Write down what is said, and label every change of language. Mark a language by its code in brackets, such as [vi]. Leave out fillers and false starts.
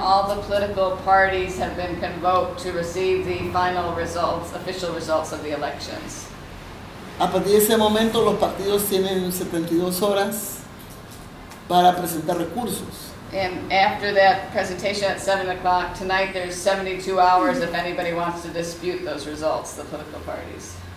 [en] all the political parties have been convoked to receive the final results, official results of the elections. [es] A partir de ese momento los partidos tienen 72 horas para presentar recursos. [en] And after that presentation at 7 o'clock, tonight there's 72 hours if anybody wants to dispute those results, the political parties.